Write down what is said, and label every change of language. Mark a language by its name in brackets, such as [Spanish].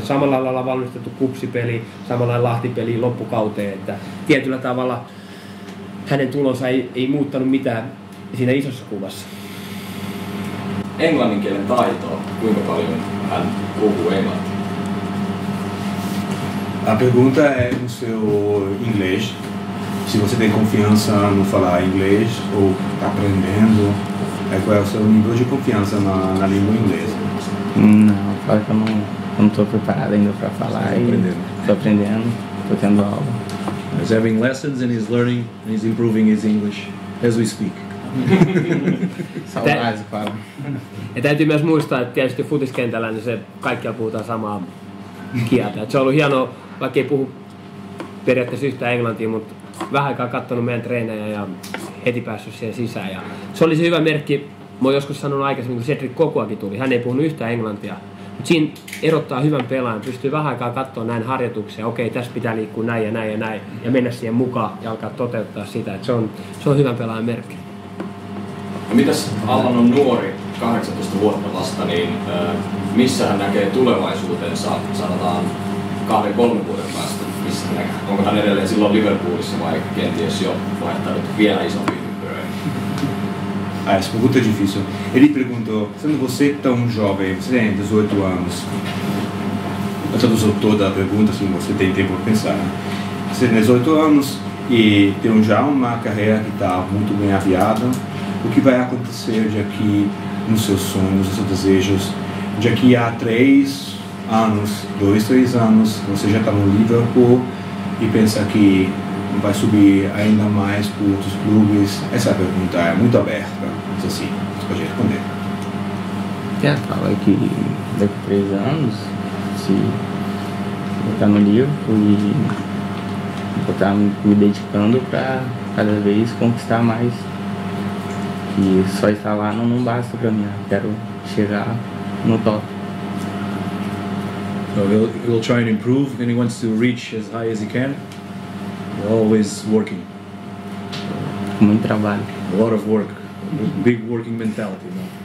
[Finnish] Samalla lailla ollaan valmistettu kupsipeli, samalla lailla Lahti-peli loppukauteen, että tietyllä tavalla hänen tulonsa ei muuttanut mitään siinä isossa kuvassa. Englannin kielen taitoa, kuinka paljon hän puhuu englantia? [Portuguese] La pregunta è seu inglês. Se você tem confiança no falar inglês ou está aprendendo, qual é o seu nível de confiança na língua inglesa? Não, claro que eu não estou preparado ainda para falar. Estou aprendendo, estou tendo aula. [English] He's having lessons and he's learning and he's improving his English as we speak. [Portuguese] Saudades, Pablo. [Finnish] Ja täytyy myös muistaa, että tietysti futiskentällä niin se kaikkia puhutaan samaa kieltä. Et se on ollut hienoa, vaikka ei puhu periaatteessa yhtään englantia, mutta vähän aikaa katsonut meidän treenejä ja heti päässyt siihen sisään. Ja se oli se hyvä merkki, mä oon joskus sanonut aikaisemmin, kun Cedric Kokuakin tuli. Hän ei puhunut yhtään englantia, mutta siinä erottaa hyvän pelaajan. Pystyy vähän aikaa katsoa näin harjoituksia. Okei, tässä pitää liikkua näin ja näin ja näin. Ja mennä siihen mukaan ja alkaa toteuttaa sitä. Et se on hyvän pelaajan merkki. Mitäs Allan on nuori, 18 vuotta vasta, niin missä hän näkee tulevaisuutensa, sanotaan 2-3 vuoden päästä? Onko hän edelleen silloin Liverpoolissa vai kenties jo vaihtanut vielä isompiin ympyröihin? [Portuguese] Ah, essa pergunta é difícil. Ele perguntou, sendo você tão jovem, você tem 18 anos, eu traduzo toda a pergunta, assim, você tem tempo para pensar. Você tem 18 anos e tem já uma carreira que está muito bem aviada, o que vai acontecer daqui nos seus sonhos, nos seus desejos, daqui a 3 anos, 2, 3 anos, você já está no Liverpool e pensa que vai subir ainda mais para outros clubes? Essa pergunta é muito aberta, mas assim, você pode responder. Quer falar que daqui a 3 anos, se eu estar no Liverpool e vou estar me dedicando para cada vez conquistar mais. E só estar lá não basta para mim, eu quero chegar no top. [English] So he'll try and improve, and he wants to reach as high as he can. We're always working. [Portuguese] Muito trabalho. [English] A lot of work. Big working mentality, no?